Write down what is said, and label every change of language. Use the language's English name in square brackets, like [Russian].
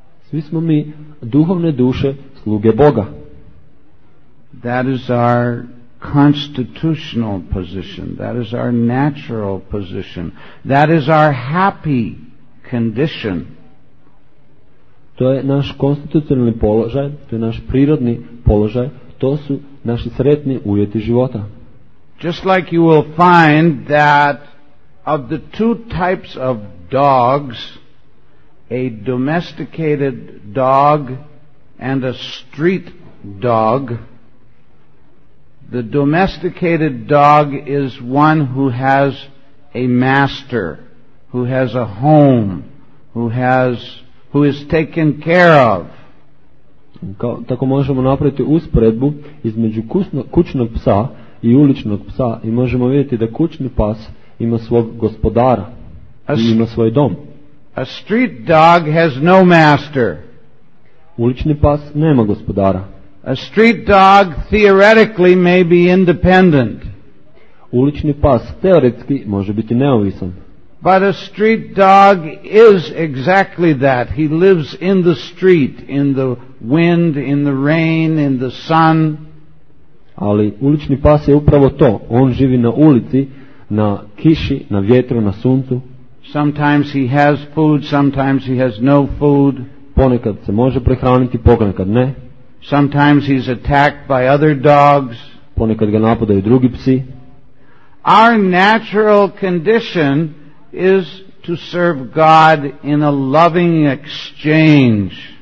[Croatian] Svi smo mi duhovne duše, sluge Boga. [English] That is our constitutional position. That is our natural position. That is our happy condition. [Croatian] To je naš konstitucionalni položaj, to je naš prirodni položaj, to su naši sretni uvjeti života. [English] Just like you will find that of the two types of dogs, a domesticated dog and a street dog, the domesticated dog is one who has a master, who has a home, who is taken care of. [Croatian] Tako možemo napraviti usporedbu između kućnog psa i uličnog psa i možemo vidjeti da kućni pas ima svog gospodara i ima svoj dom. [English] A street dog has no master. [Croatian] Ulični pas nema gospodara. [English] A street dog theoretically may be independent. [Croatian] Ulični pas teoretski može biti neovisan. [English] But a street dog is exactly that. He lives in the street, in the wind, in the rain, in the sun. [Croatian] Ali ulični pas je upravo to. On živi na ulici, na kiši, na vjetru, na suncu. [English] Sometimes he has food, sometimes he has no food. [Croatian] Ponekad se može prehraniti, ponekad ne. [English] Sometimes he's attacked by other dogs. [Croatian] Ponekad ga napadaju drugi psi. [English] Our natural condition is to serve God in a loving exchange.